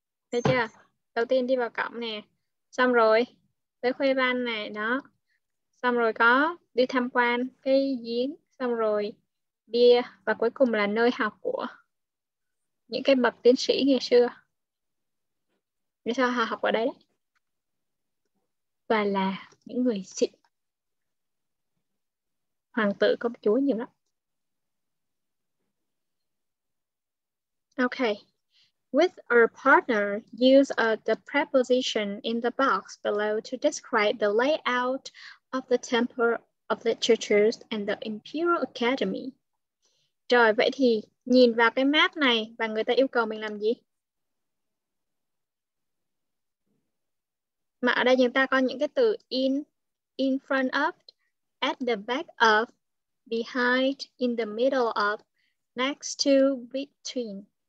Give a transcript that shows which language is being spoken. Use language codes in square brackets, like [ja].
[vi] Thấy chưa? Đầu tiên đi vào cổng nè, xong rồi tới Khuê Văn này đó, xong rồi có đi tham quan cái giếng, xong rồi bia, và cuối cùng là nơi học của những cái bậc tiến sĩ ngày xưa. Vì sao họ học ở đây đấy? Và là những người xịn, hoàng tử công chúa nhiều lắm. [en] Okay. With a partner, use the preposition in the box below to describe the layout of the Temple of Literature and the Imperial Academy. [vi] Rồi, vậy thì nhìn vào cái map này và người ta yêu cầu mình làm gì? Mà ở đây chúng ta có những cái từ [en] in front of, at the back of, behind, in the middle of, next to, between.